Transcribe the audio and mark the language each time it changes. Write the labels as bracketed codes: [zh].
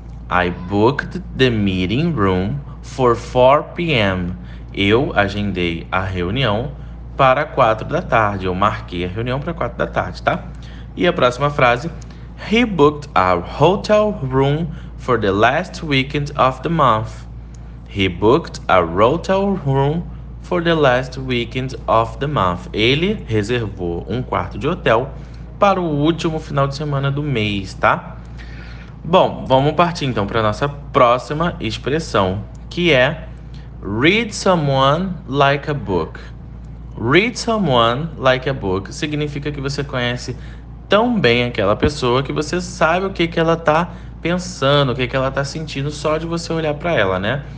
[en] I booked the meeting room for 4 p.m. [pt] Eu agendei a reunião para 4 da tarde. Eu marquei a reunião para 4 da tarde, tá? E a próxima frase: [en] He booked a hotel room for the last weekend of the month. He booked a hotel room for the last weekend of the month. [pt] Ele reservou um quarto de hotel para o último final de semana do mês, tá? Bom, vamos partir então para nossa próxima expressão, que é [en] read someone like a book. Read someone like a book [pt] significa que você conhece tão bem aquela pessoa que você sabe o que que ela tá pensando, o que que ela tá sentindo só de você olhar para ela, né?